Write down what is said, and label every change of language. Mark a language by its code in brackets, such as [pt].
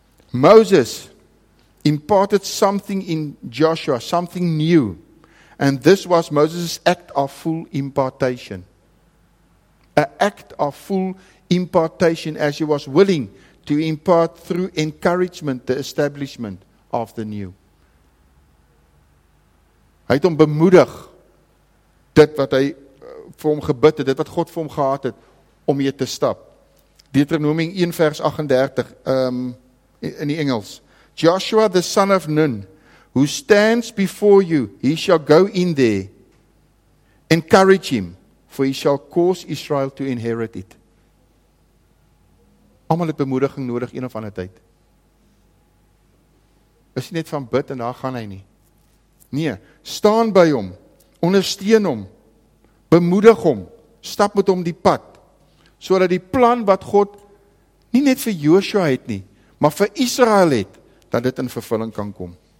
[en] Moses imparted something in Joshua, something new. And this was Moses' act of full impartation. An act of full impartation as he was willing to impart through encouragement the establishment of the new. [af] Hy het hom bemoedig dit wat hy vir hom gebid het, dit wat God vir hom gehad het, om hier te stap. Deuteronomy 1 vers 38 in die Engels. [en] Joshua the son of Nun, who stands before you, he shall go in there. Encourage him, for he shall cause Israel to inherit it. [af] Almal het bemoediging nodig een of ander tyd. Is nie net van bid en daar gaan hy nie. Nee, staan by hom, ondersteun hom, bemoedig hom, stap met hom die pad, sodat die plan wat God nie net vir Joshua het nie, maar vir Israel het, dat dit in vervulling kan kom.